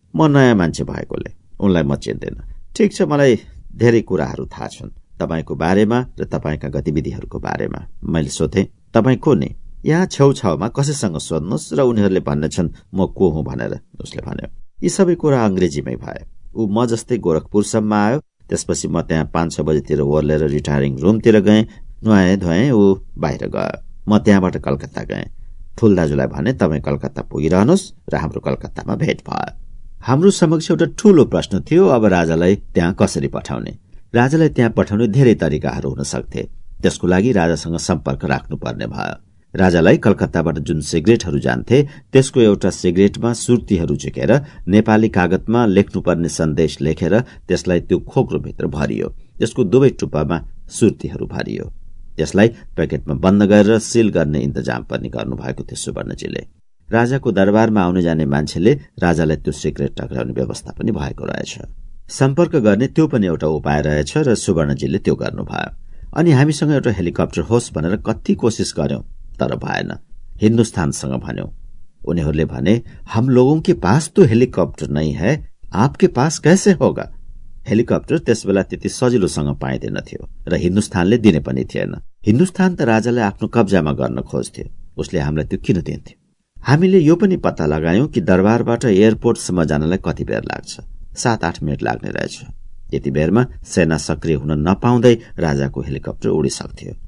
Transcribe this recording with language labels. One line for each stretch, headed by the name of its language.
Nepali: म नयाँ मान्छे भएकोले उनलाई म चिन्दिनँ। ठिक छ, मलाई धेरै कुराहरू थाहा छन् तपाईँको बारेमा र तपाईँका गतिविधिहरूको बारेमा। मैले सोधेँ, तपाईँ को नि? यहाँ छेउछाउमा कसैसँग सोध्नुहोस् र उनीहरूले भन्नेछन् म को हुँ भनेर। उसले भन्यो, यी सबै कुरा अङ्ग्रेजीमै भए। ऊ म जस्तै गोरखपुरसम्म आयो। त्यसपछि म त्यहाँ 5-6 बजेतिर ओर्लेर रिटायरिङ रुमतिर गएँ। नुहाएँ धुएँ, ऊ बाहिर गयो। म त्यहाँबाट कलकत्ता गएँ। ठुल दाजुलाई भने, तपाईँ कलकत्ता पुगिरहनुहोस् र हाम्रो कलकत्तामा भेट भयो। हाम्रो समक्ष एउटा ठूलो प्रश्न थियो, अब राजालाई त्यहाँ कसरी पठाउने? राजालाई त्यहाँ पठाउने धेरै तरिकाहरू हुन सक्थे। त्यसको लागि राजासँग सम्पर्क राख्नुपर्ने भयो। राजालाई कलकत्ताबाट जुन सिगरेटहरू जान्थे त्यसको एउटा सिगरेटमा सुर्तीहरू झिकेर नेपाली कागतमा लेख्नुपर्ने सन्देश लेखेर त्यसलाई त्यो खोक्रोभित्र भरियो। त्यसको दुवै टुप्पामा सुर्तीहरू भरियो। त्यसलाई प्याकेटमा बन्द गरेर सिल गर्ने इन्तजाम पनि गर्नुभएको थियो सुवर्णजीले। राजाको दरबारमा आउने जाने मान्छेले राजालाई त्यो सिगरेट टक्राउने व्यवस्था पनि भएको रहेछ। सम्पर्क गर्ने त्यो पनि एउटा उपाय रहेछ र सुवर्णजीले त्यो गर्नुभयो। अनि हामीसँग एउटा हेलिकप्टर होस् भनेर कति कोसिस गर्यौं तर भएन। हिन्दुस्तानसँग भन्यौं। उनीहरूले भने,
Hindi: हम लोगों के पास तो हेलिकप्टर नहीं है, आपके पास कैसे होगा।
Nepali: हेलिकप्टर त्यसबेला त्यति सजिलोसँग पाइँदैनथ्यो र हिन्दुस्तानले दिने पनि थिएन। हिन्दुस्तान त राजालाई आफ्नो कब्जामा गर्न खोज्थ्यो, उसले हामीलाई त्यो किन दिन्थ्यो। हामीले यो पनि पत्ता लगायौं कि दरबारबाट एयरपोर्टसम्म जानलाई कति बेर लाग्छ। 7-8 मिनट लाग्ने रहेछ। यति बेरमा सेना सक्रिय हुन नपाउँदै राजाको हेलिकप्टर उडिसक्थ्यो।